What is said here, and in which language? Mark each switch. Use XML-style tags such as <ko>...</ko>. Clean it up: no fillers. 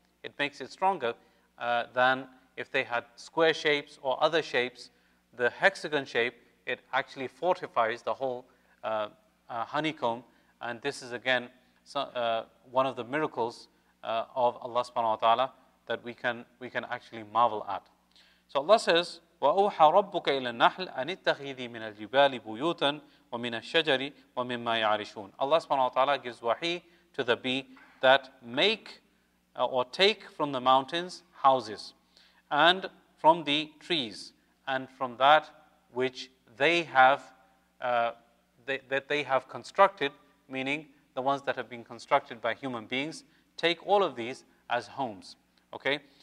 <en>It makes it stronger than if they had square shapes or other shapes. The hexagon shape, it actually fortifies the whole honeycomb. And this is, again, one of the miracles of Allah subhanahu wa ta'ala that we can actually marvel at. So Allah says,</en> <ar>وَأَوْحَى رَبُّكَ إِلَى النَّحْلِ أَنِ اتَّخِذِي مِنَ الْجِبَالِ بُيُوتًا وَمِنَ الشَّجَرِ وَمِمَّا يَعْرِشُونَ.</ar> <en>Allah subhanahu wa ta'ala gives wahi to the bee that make or take from the mountains houses and from the trees and from that which they have that they have constructed, meaning the ones that have been constructed by human beings, take all of these as homes. Okay?</en>